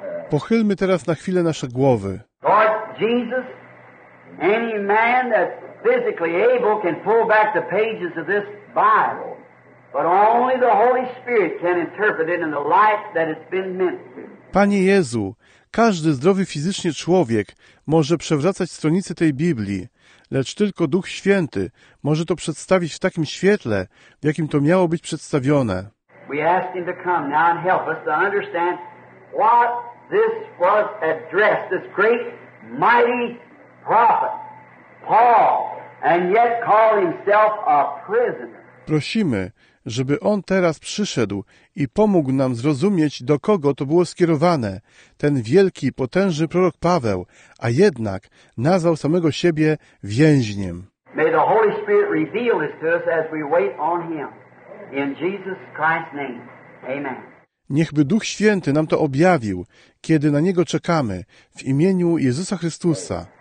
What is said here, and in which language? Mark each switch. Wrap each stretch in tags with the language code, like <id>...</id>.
<pl>Pochylmy teraz na chwilę nasze głowy.</pl> <en>Lord Jesus, any man that's physically able can pull back the pages of this Bible, but only the Holy Spirit can interpret it in the light that it's been meant to.</en> <pl>Panie Jezu, każdy zdrowy fizycznie człowiek może przewracać stronicę tej Biblii, lecz tylko Duch Święty może to przedstawić w takim świetle, w jakim to miało być przedstawione.</pl> <en>We ask him to come now and help us to understand what this was addressed, this great mighty prophet, Paul, and yet call himself a prisoner.</en> <pl>Prosimy, żeby On teraz przyszedł i pomógł nam zrozumieć, do kogo to było skierowane, ten wielki, potężny prorok Paweł, a jednak nazwał samego siebie więźniem.</pl> <en>May the Holy Spirit reveal this to us as we wait on Him. In Jesus Christ's name. Amen.</en> <pl>Niechby Duch Święty nam to objawił, kiedy na Niego czekamy, w imieniu Jezusa Chrystusa.</pl>